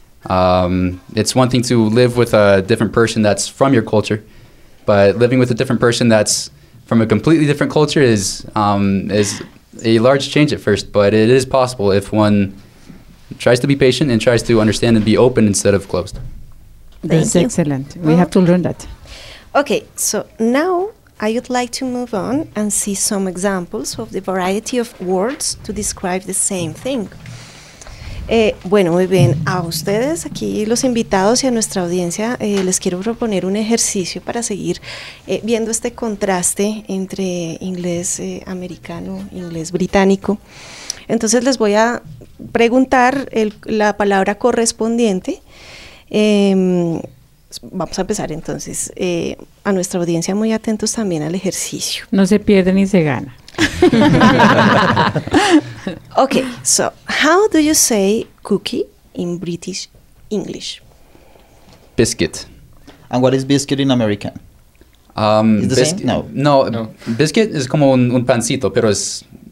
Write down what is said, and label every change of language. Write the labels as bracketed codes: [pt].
[en] It's one thing to live with a different person that's from your culture, but living with a different person that's from a completely different culture is a large change at first, but it is possible if one tries to be patient and tries to understand and be open instead of closed. That's excellent. Well, we have to learn that. Okay, so now I would like to move on and see some examples of the variety of words to describe the same thing. [es] Bueno, muy bien. A ustedes, aquí los invitados y a nuestra audiencia, les quiero proponer un ejercicio para seguir viendo este contraste entre inglés americano, inglés británico. Entonces les voy a preguntar la palabra correspondiente. Vamos a empezar entonces. A nuestra audiencia, muy atentos también al ejercicio. No se pierde ni se gana. [en] Okay, so how do you say cookie in British English? Biscuit. And what is biscuit in American? [es] No. [en] Biscuit is [es] como un pancito, pero es